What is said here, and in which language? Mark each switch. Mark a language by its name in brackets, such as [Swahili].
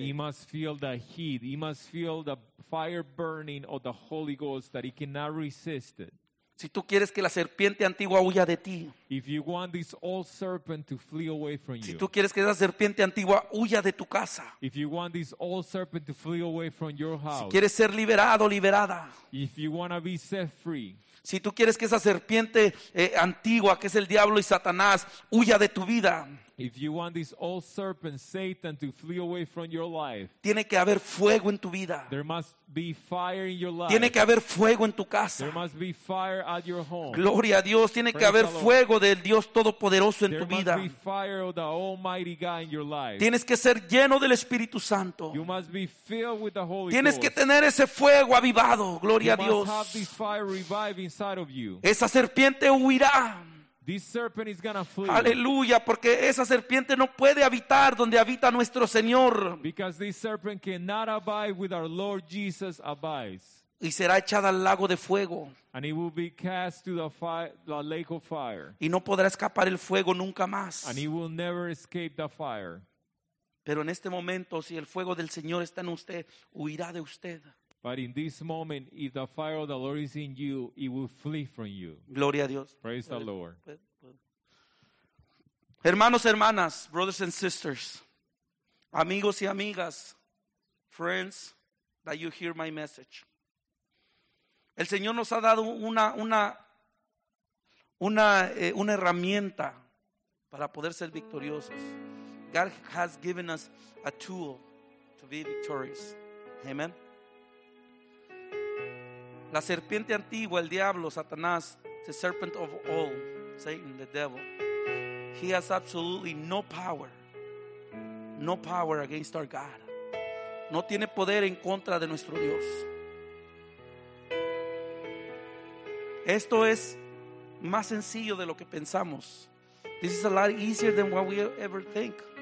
[English] He must feel the heat. He must feel the fire burning of the Holy Ghost that he cannot resist it. [Spanish] Si tú quieres que la serpiente antigua huya de ti, [English] if you want this old serpent to flee away from you, [Spanish] si tú quieres que esa serpiente antigua huya de tu casa, [English] if you want this old serpent to flee away from your house, [Spanish] si quieres ser liberado, liberada, [English] if you want to be set free, [Spanish] si tú quieres que esa serpiente antigua, que es el diablo y Satanás, huya de tu vida, [English] If you want this old serpent, Satan, to flee away from your life, [Spanish] tiene que haber fuego en tu vida. [English] There must be fire in your life. [Spanish] Tiene que haber fuego en tu casa. [English] There must be fire at your home. [Spanish] Gloria a Dios. Tiene que haber fuego del Dios Todopoderoso en tu vida. [English] There must be fire of the Almighty God in your life. [Spanish] Tienes que ser lleno del Espíritu Santo. [English] You must be filled with the Holy Ghost. [Spanish] Tienes que tener ese fuego avivado. Gloria a Dios. [English] You must have this fire revived inside of you. [Spanish] Esa serpiente huirá. [English] This serpent is gonna flee. [Spanish] Aleluya, porque esa serpiente no puede habitar donde habita nuestro Señor. [English] Because this serpent cannot abide with our Lord Jesus abides. [Spanish] Y será echada al lago de fuego. [English] And it will be cast to the lake of fire. [Spanish] Y no podrá escapar el fuego nunca más. [English] And it will never escape the fire. [Spanish] Pero en este momento, si el fuego del Señor está en usted, huirá de usted. [English] But in this moment, if the fire of the Lord is in you, it will flee from you. [Spanish] Gloria a Dios. [English] Praise the Lord. [Spanish] Hermanos, hermanas, [English] brothers and sisters, [Spanish] amigos y amigas, [English] friends, that you hear my message. [Spanish] El Señor nos ha dado una herramienta para poder ser victoriosos. [English] God has given us a tool to be victorious. Amen. [Spanish] La serpiente antigua, el diablo, Satanás, [English] the serpent of old, Satan, the devil, he has absolutely no power, no power against our God. [Spanish] No tiene poder en contra de nuestro Dios. Esto es más sencillo de lo que pensamos. [English] This is a lot easier than what we ever think.